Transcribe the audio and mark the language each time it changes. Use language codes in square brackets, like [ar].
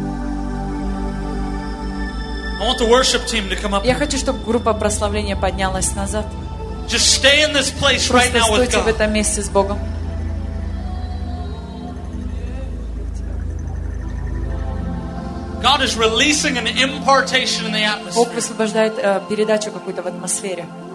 [en] I want the worship team to come up. [ru] Я хочу, чтобы группа прославления поднялась назад. [en] Just stay in this place right now with God. [ru] Просто стойте в этом месте с Богом. [en] God is releasing an impartation in the atmosphere. [ru] Бог высвобождает передачу какую-то в атмосфере.